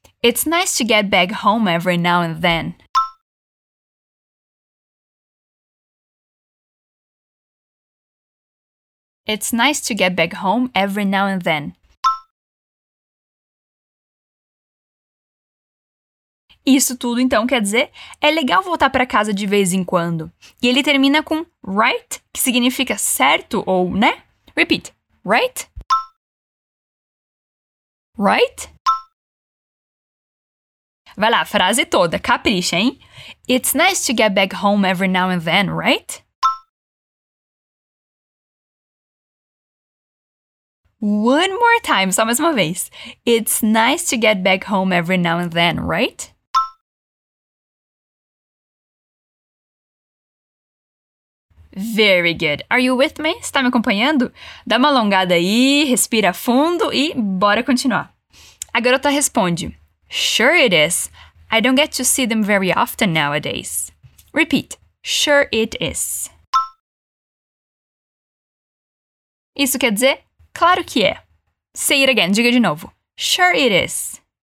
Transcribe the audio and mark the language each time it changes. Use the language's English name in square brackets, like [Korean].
[English] It's nice to get back home every now and then. It's nice to get back home every now and then. [Portuguese] Isso tudo, então, quer dizer, é legal voltar para casa de vez em quando. E ele termina com right, que significa certo ou né? [English] Repeat. Right? Right? [Portuguese] Vai lá, frase toda, capricha, hein? [English] It's nice to get back home every now and then, right? One more time, só mais uma vez. It's nice to get back home every now and then, right? Very good. Are you with me? Está me acompanhando? [Portuguese] Dá uma alongada aí, respira fundo e bora continuar. A garota responde. Sure it is. [English] I don't get to see them very often nowadays. Repeat. Sure it is. [Portuguese] Isso quer dizer? Claro que é. Say it again. Diga de novo. [English] Sure it is.